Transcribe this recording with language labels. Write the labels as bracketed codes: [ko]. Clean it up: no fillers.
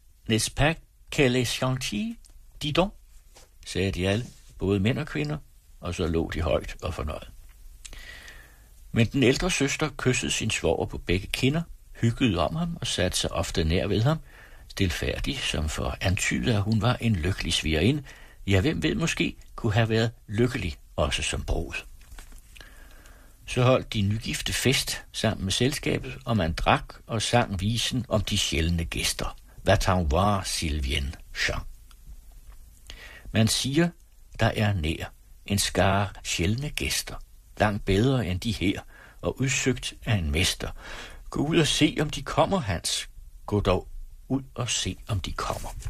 [fr] N'est-ce pas qu'elle est gentille? Dis donc, [da] sagde de alle, både mænd og kvinder, og så lå de højt og fornøjet. Men den ældre søster kyssede sin svoger på begge kinder, hyggede om ham og satte sig ofte nær ved ham, stilfærdig, som for antydet, at hun var en lykkelig svigerinde. Ja, hvem ved måske, kunne have været lykkelig også som brud. Så holdt de nygifte fest sammen med selskabet, og man drak og sang visen om de sjældne gæster. Hvad t'en voir, Sylvien Jean? Man siger, der er nær en skare sjældne gæster, langt bedre end de her, og udsøgt af en mester. Gå ud og se, om de kommer, Hans. Gå dog ud og se, om de kommer.